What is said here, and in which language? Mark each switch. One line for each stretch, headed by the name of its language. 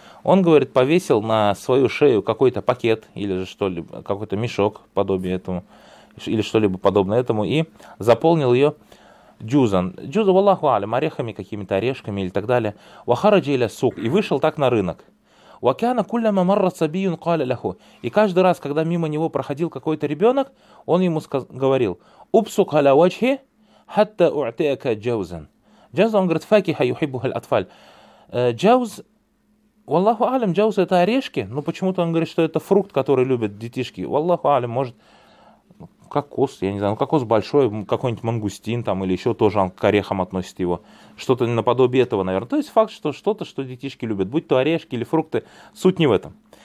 Russian: Он, говорит, повесил на свою шею какой-то пакет или же что-либо, какой-то мешок подобие этому, или что-либо подобное этому, и заполнил ее джузан. Джузан,
Arabic: валлаху алям,
Russian: орехами, какими-то орешками или так далее.
Arabic: وَخَرَجَ إِلَى السُّوقِ.
Russian: И вышел так на рынок.
Arabic: وَكَانَ كُلَّمَا مَرَّ صَبِيٌّ قَالَ لَهُ.
Russian: И каждый раз, когда мимо него проходил какой-то ребенок, он ему говорил,
Arabic: أبصق على وجهه حتى أعطيك جوزا. جوزا أنقرت فاكهة يحبها الأطفال. جوز والله أعلم جوز
Russian: это орешки, но почему-то он говорит, что это фрукт, который любят детишки.
Arabic: والله أعلم,
Russian: может кокос, я не знаю, ну кокос большой, какой-нибудь мангустин там или еще тоже он к орехам относит его. Что-то наподобие этого, наверное. То есть факт, что что-то, что детишки любят, будь то орешки или фрукты, суть не в этом.